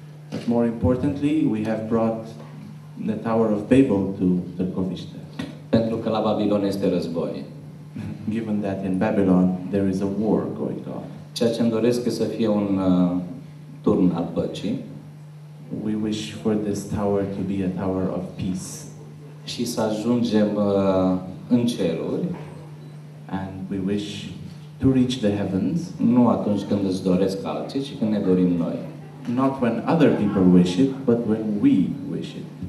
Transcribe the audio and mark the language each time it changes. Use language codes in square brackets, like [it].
[en] But more importantly, we have brought the Tower of Babel to Târgoviște. [ro] Pentru că la Babilon este război. [en] Given that in Babylon there is a war going on. [ro] Ceea ce îmi doresc să fie un turn al păcii. [en] We wish for this tower to be a tower of peace. [ro] Și să ajungem în ceruri. [en] And we wish to reach the heavens. [ro] Nu atunci când îți doresc alții, ci când ne dorim noi. [en] Not when other people wish it, but when we wish it.